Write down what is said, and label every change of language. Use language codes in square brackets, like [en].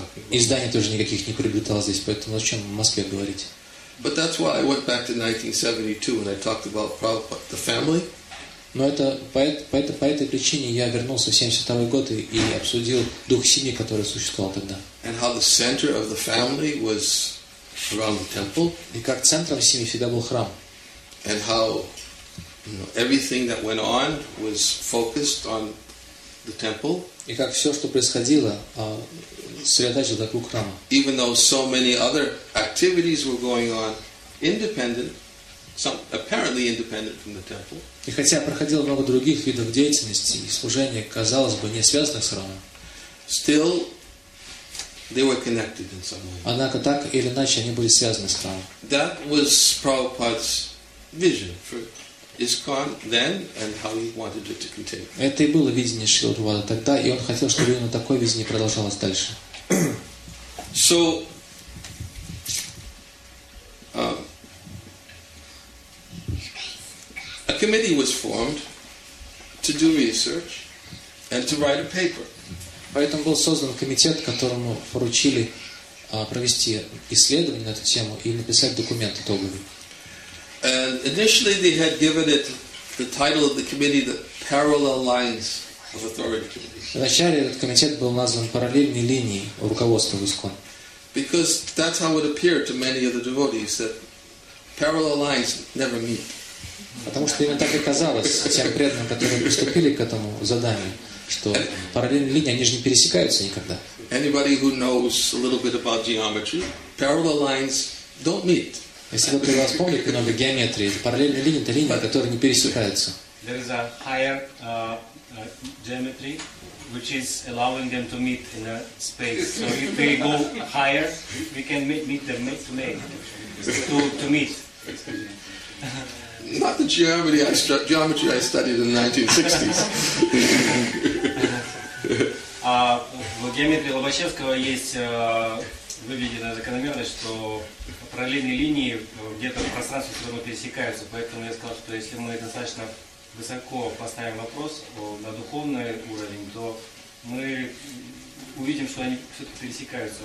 [ru] И зданий тоже никаких не приобретало здесь, поэтому зачем в Москве говорить? [en] But that's why I went back to 1972 and I talked about Prabhupada, the family. [ru] Но это по этой причине я вернулся в 72 год и обсудил дух семьи, который существовал тогда. [en] And how the center of the family was around the temple. [ru] И как центром семьи всегда был храм. [en] And how, you know, everything that went on was focused on the temple. [ru] И как все, что происходило, сосредоточилось вокруг храма. [en] Even though so many other activities were going on independent, some apparently independent from the temple. [ru] И хотя проходило много других видов деятельности и служения, казалось бы, не связанных с храмом. [en] Still, they were connected in some way. [ru] Однако так или иначе они были связаны с храмом. [en] That was Prabhupada's vision for ISKCON then and how he wanted it to continue. [ru] Это и было видение Шрилы Прабхупады тогда, и он хотел, чтобы именно такое видение продолжалось дальше. [en] So, a committee was formed to do research and to write a paper. [ru] Поэтому был создан комитет, которому поручили провести исследование на эту тему и написать документ итоговый. [en] And initially they had given it the title of the committee, the Parallel Lines of Authority Committee. [ru] Вначале этот комитет был назван параллельной линией руководства ИСККОН. [en] Because that's how it appeared to many of the devotees, that parallel lines never meet. [ru] Потому что именно так и казалось тем преданным, которые приступили к этому заданию, что параллельные линии, они же не пересекаются никогда. [en] Anybody who knows a little bit about geometry, parallel lines don't meet. [ru] Если кто-то из вас помнит немного геометрии, параллельные линии — это линии, которые не пересекаются. [en] There is a higher geometry which is allowing them to meet in a space. So if they go higher, we can meet them to meet. Not the geometry I geometry I studied in the 1960s. [ru] В геометрии Лобачевского есть выведена закономерность, что параллельные линии где-то в пространстве все равно пересекаются. Поэтому я сказал, что если мы достаточно высоко поставим вопрос на духовный уровень, то мы увидим, что они все-таки пересекаются.